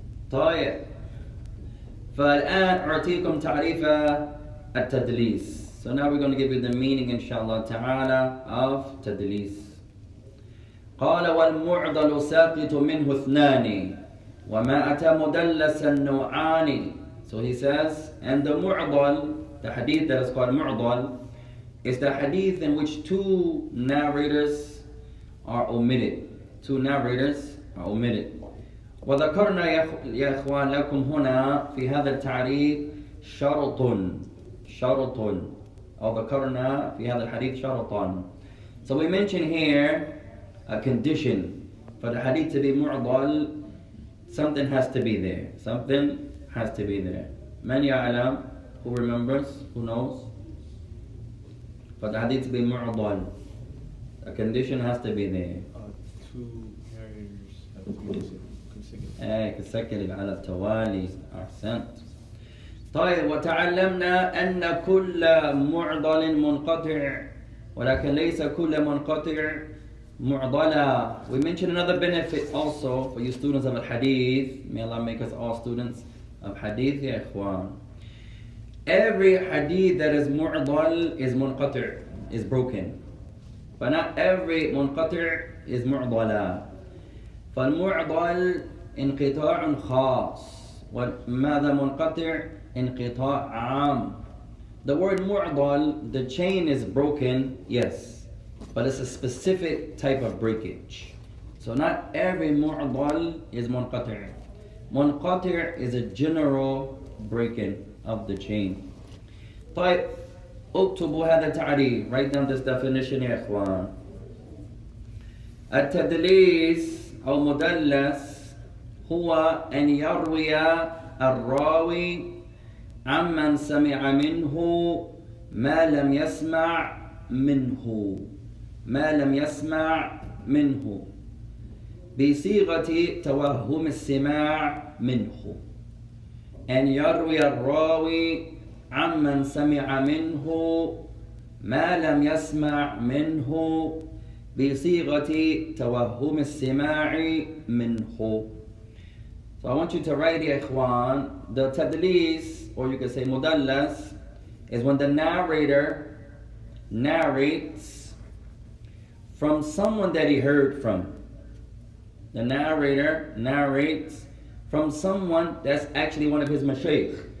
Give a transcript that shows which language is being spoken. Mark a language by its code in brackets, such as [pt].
[ar] طيب فالآن أعطيكم تعريف التدليس. [en] So now we're going to give you the meaning inshallah ta'ala of تدليس. [ar] قال والمعضل ساقط منه اثنان وما أتى مدلس النوعان. [en] So he says, and the معضل, the hadith that is called معضل, It's the hadith in which two narrators are omitted. Two narrators are omitted. [ar] وَذَكَرْنَا يَخْوَى لَكُمْ هُنَا فِي هَذَا الْتَعْرِيفِ شَرُطٌ شَرُطٌ وَذَكَرْنَا فِي هَذَا الْحَدِيثِ شَرُطٌ. [en] So we mention here a condition for the hadith to be mu'dal. Something has to be there. Something has to be there. Man ya'alam, who remembers, who knows? For the hadith to be mu'dal, a condition has to be there. Two narrators have to be there. [ar] Consecutive على التوالي. أحسنت. طيب وتعلمنا أن كل معضل منقطع ولكن ليس كل منقطع معضلا. [en] We mentioned another benefit also for you students of al-hadith. May Allah make us all students of hadith, [ar] يا إخوان. [en] Every hadith that is معضل is منقطع, is broken. But not every منقطع is معضلا. [ar] فالمعضل انقطاع خاص وماذا منقطع انقطاع عام. [en] The word معضل, the chain is broken, yes, but it's a specific type of breakage. So not every معضل is منقطع. منقطع is a general breaking of the chain. [ar] طيب اكتبوا هذا التعريف. [en] Write down this definition [ar] يا اخوان. التدليس او مدلس هو أن يروي الراوي عمن سمع منه ما لم يسمع منه ما لم يسمع منه بصيغة توهم السماع منه. أن يروي الراوي عمن سمع منه ما لم يسمع منه بصيغة توهم السماع منه. [en] So I want you to write, ya ikhwan, the tadlis, or you could say mudallas, is when the narrator narrates from someone that he heard from. The narrator narrates from someone that's actually one of his mashaykh.